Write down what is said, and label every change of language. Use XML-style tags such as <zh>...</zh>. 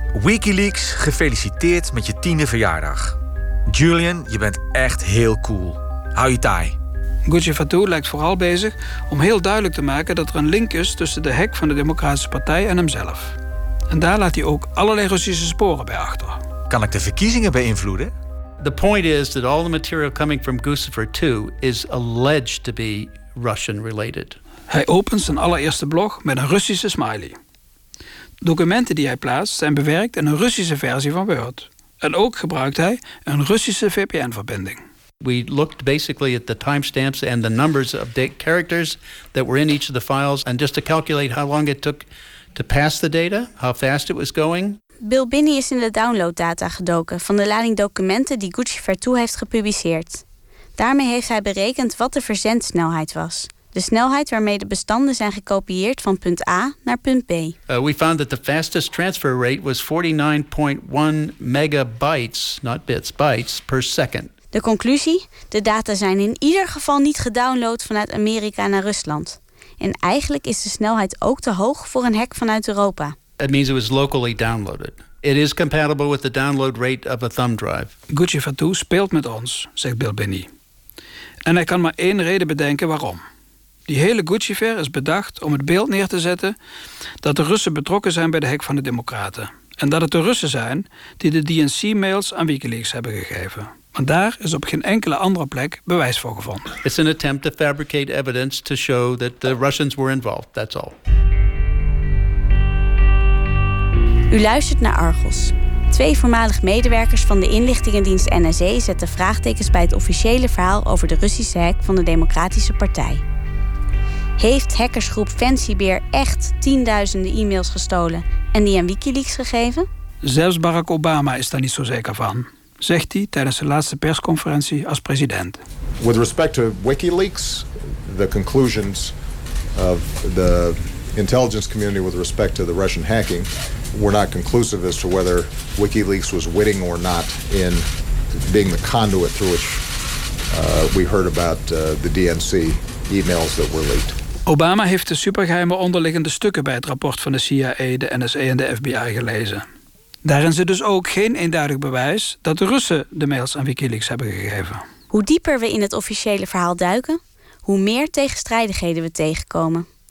<nl>WikiLeaks, gefeliciteerd met je 10e verjaardag. Julian, je bent echt heel cool. Hou je taai. Guccifer 2 lijkt vooral bezig om heel duidelijk te maken dat er een link is tussen de hack van de Democratische Partij en hemzelf. En daar laat hij ook allerlei Russische sporen bij achter. Kan ik de verkiezingen beïnvloeden?</nl> <en>The point is that all the material coming from Guccifer 2 is alleged to be Russian related.</en> <nl>Hij opent zijn allereerste blog met een Russische smiley. Documenten die hij plaatst zijn bewerkt in een Russische versie van Word. En ook gebruikt hij een Russische VPN-verbinding.</nl> <en>We looked basically at the timestamps and the numbers of date characters that were in each of the files, and just to calculate how long it took to pass the data, how fast it was going.</en> <nl>Bill Binney is in de downloaddata gedoken van de lading documenten die Gucci Vertu heeft gepubliceerd. Daarmee heeft hij berekend wat de verzendsnelheid was. De snelheid waarmee de bestanden zijn gekopieerd van punt A naar punt B.</nl> <en>We found that the fastest transfer rate was 49.1 megabytes, not bits, bytes per second.</en> <nl>De conclusie? De data zijn in ieder geval niet gedownload vanuit Amerika naar Rusland. En eigenlijk is de snelheid ook te hoog voor een hack vanuit Europa.</nl> <en>That means it was locally downloaded. It is compatible with the download rate of a thumb drive.</en> <nl>Gucci Fatou speelt met ons, zegt Bill Binney. En hij kan maar één reden bedenken waarom. Die hele Gucci-ver is bedacht om het beeld neer te zetten dat de Russen betrokken zijn bij de hek van de Democraten. En dat het de Russen zijn die de DNC-mails aan WikiLeaks hebben gegeven. Want daar is op geen enkele andere plek bewijs voor gevonden.</nl> <en>It's an attempt to fabricate evidence to show that the Russians were involved, that's all.</en> <nl>U luistert naar Argos. Twee voormalig medewerkers van de inlichtingendienst NSA zetten vraagtekens bij het officiële verhaal over de Russische hek van de Democratische Partij. Heeft hackersgroep Fancy Bear echt tienduizenden e-mails gestolen en die aan WikiLeaks gegeven? Zelfs Barack Obama is daar niet zo zeker van, zegt hij tijdens zijn laatste persconferentie als president.</nl> <en>With respect to WikiLeaks, the conclusions of the intelligence community with respect to the Russian hacking were not conclusive as to whether WikiLeaks was witting or not in being the conduit through which we heard about the DNC. E-mails that were leaked.</en> <nl>Obama heeft de supergeheime onderliggende stukken bij het rapport van de CIA, de NSA en de FBI gelezen. Daarin zit dus ook geen eenduidig bewijs dat de Russen de mails aan WikiLeaks hebben gegeven. Hoe dieper we in het officiële verhaal duiken, hoe meer tegenstrijdigheden we tegenkomen.</nl>